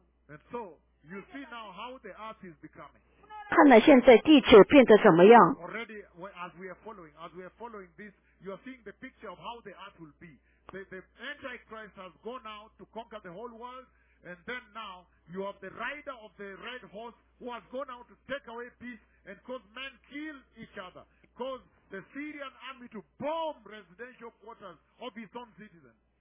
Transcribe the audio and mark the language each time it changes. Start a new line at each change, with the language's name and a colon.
English: And so you see now how the earth is becoming.
Chinese: 看来现在地球变得怎么样
English: ？Already, as we are following this, you are seeing the picture of how the earth will be. The Antichrist has gone out to conquer the whole world, and then now you have the rider of the red horse who has gone out to take away peace and cause men kill each other, cause the Syrian army to bomb residential quarters of its own citizens.